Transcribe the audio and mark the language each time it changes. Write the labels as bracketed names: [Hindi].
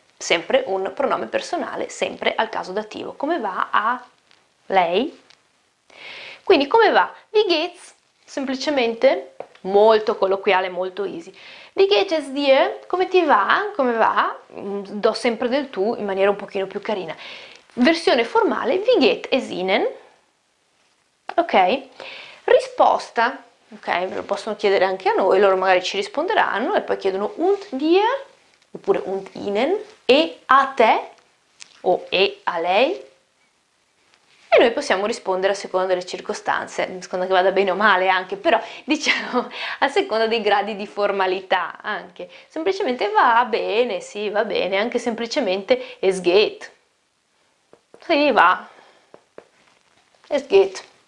[Italian] Sempre un pronome personale, sempre al caso dativo. Come va a lei? Quindi come va? [German] Wie geht's? [Italian] Semplicemente, molto colloquiale, molto easy. [German] Wie geht es dir? [Italian] Come ti va? Come va? Do sempre del tu in maniera un pochino più carina. Versione formale, [German] wie geht es ihnen? [Italian] Ok, risposta, ok, lo possono chiedere anche a noi, loro magari ci risponderanno e poi chiedono [German] und dir [Italian] oppure [German] und ihnen [Italian] e a te o e a lei e noi possiamo rispondere a seconda delle circostanze, secondo che vada bene o male anche, però diciamo a seconda dei gradi di formalità anche, semplicemente va bene, sì, va bene, anche semplicemente [German] es geht, [Italian] sì, va, es geht.